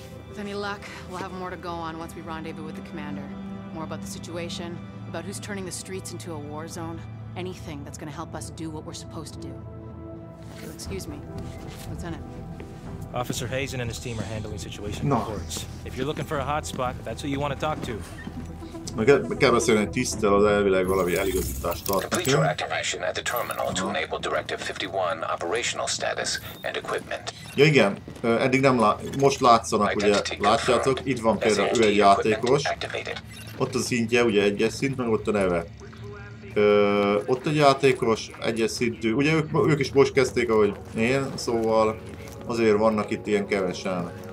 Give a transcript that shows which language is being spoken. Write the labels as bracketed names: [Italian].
[English] With any luck, we'll have more to go on once we rendezvous with the commander. More about the situation, about who's turning the streets into a war zone. Anything that's gonna help us do what we're supposed to do. So excuse me, Lieutenant. Officer Hazen and his team are handling situation reports. If you're looking for a hotspot, that's who you want to talk to. [Hungarian] Kell beszélni egy tiszttel, az elvileg valami eligazítást tart. [English] Feature activation at the terminal to enable Directive 51 operational status and equipment. [Hungarian] Ja igen, eddig nem most látszanak, ugye látjátok, itt van például ő egy játékos. Ott a szintje, ugye egyes szint, meg ott a neve. Ott egy játékos, egyes szintű. Ugye ők is most kezdték, ahogy én, szóval azért vannak itt ilyen kevesen.